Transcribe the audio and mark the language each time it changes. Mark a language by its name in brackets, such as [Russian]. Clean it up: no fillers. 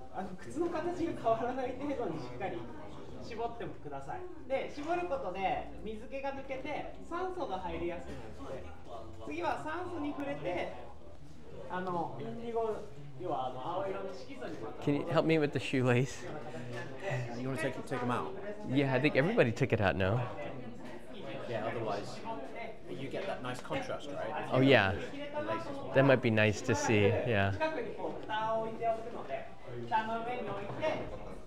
[Japanese] あの靴の形が変わらない程度にしっかり。絞ってください。で、絞ることで水気が抜けて酸素が入りやすくなって、次は酸素に触れて、あのインディゴ要はあの青色の色素にまた。 [English] Can you help me with the shoelace? You want to take them out? Yeah, I think everybody took it out now. Yeah, otherwise you get that nice contrast, right? Oh yeah, that might be nice to see. Yeah. [Japanese] 近くにこう蓋を置いておくので、蓋の上に置いて。